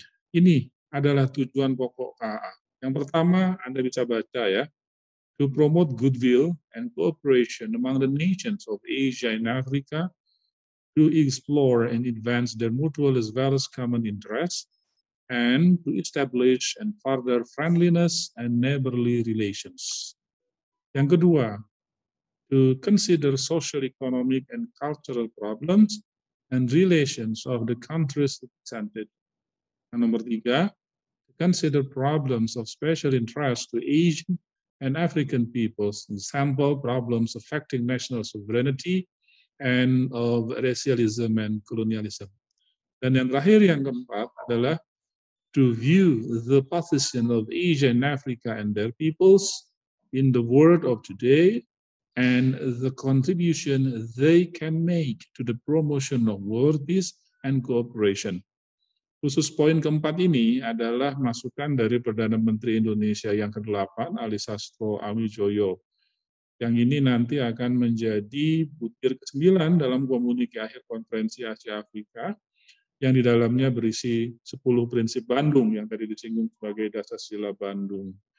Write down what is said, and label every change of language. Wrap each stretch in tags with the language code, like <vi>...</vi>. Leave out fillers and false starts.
<id>Ini adalah tujuan pokok KAA. Yang pertama, Anda bisa baca ya,</id> <en>to promote goodwill and cooperation among the nations of Asia and Africa, to explore and advance their mutual as well as common interests, and to establish and further friendliness and neighborly relations.</en> <id>Yang kedua,</id> <en>to consider social, economic, and cultural problems and relations of the countries represented.</en> <id>Yang nomor tiga,</id> <en>to consider problems of special interest to Asian and African peoples, example problems affecting national sovereignty and of racialism and colonialism.</en> <id>Dan yang terakhir, yang keempat adalah</id> <en>to view the position of Asia and Africa and their peoples in the world of today and the contribution they can make to the promotion of world peace and cooperation.</en> <id>Khusus poin keempat ini adalah masukan dari Perdana Menteri Indonesia yang ke-8, Ali Sastro Amidjojo. Yang ini nanti akan menjadi butir ke-9 dalam komunike akhir konferensi Asia-Afrika yang di dalamnya berisi 10 prinsip Bandung yang tadi disinggung sebagai dasar sila Bandung.</id>